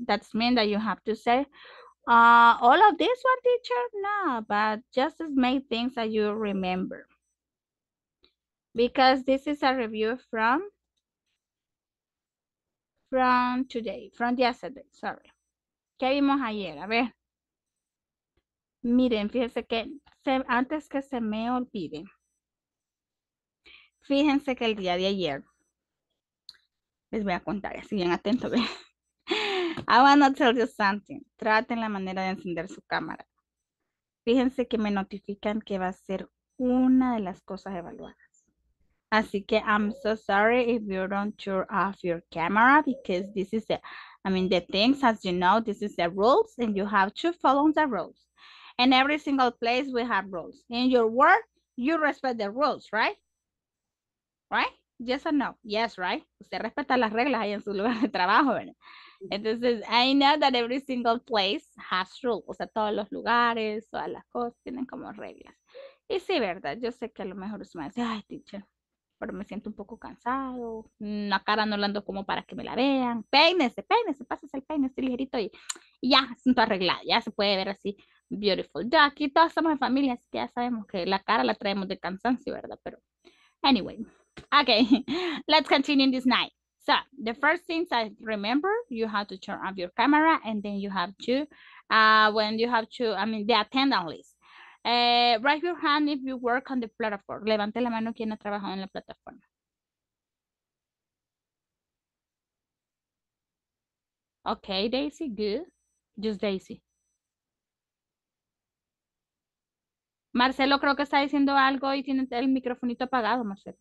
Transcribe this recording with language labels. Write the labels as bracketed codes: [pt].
[en] That's mean that you have to say, all of this one, teacher? No, but just as many things that you remember. Because this is a review from today, from yesterday, sorry. [es] ¿Qué vimos ayer? A ver. Miren, fíjense que antes que se me olvide, fíjense que el día de ayer, les voy a contar, así bien atento, ¿ve? [en] I wanna tell you something. [es] Traten la manera de encender su cámara. Fíjense que me notifican que va a ser una de las cosas evaluadas. Así que [en] I'm so sorry if you don't turn off your camera because this is the, I mean, the things, as you know, this is the rules and you have to follow the rules. In every single place we have rules. In your work, you respect the rules, right? Right? Yes or no? Yes, right? [es] Usted respeta las reglas ahí en su lugar de trabajo, ¿verdad? [en] Entonces, I know that every single place has rules. [es] O sea, todos los lugares, todas las cosas tienen como reglas. Y sí, ¿verdad? Yo sé que a lo mejor usted me dice, ay, teacher, pero me siento un poco cansado. La cara no la ando como para que me la vean. Peínese, peínese, pásese el peine, estoy ligerito y ya, asunto arreglado. Ya se puede ver así. Beautiful. Ya aquí todos somos de familia, así que ya sabemos que la cara la traemos de cansancio, ¿verdad? [en] Pero, anyway. Okay, let's continue this night. So, the first things I remember, you have to turn off your camera and then you have to, when you have to, I mean, the attendance list. Raise your hand if you work on the platform. [es] Levante la mano quien ha trabajado en la plataforma. [en] Okay, Daisy, good. Just Daisy. [es] Marcelo creo que está diciendo algo y tiene el microfonito apagado, Marcelo.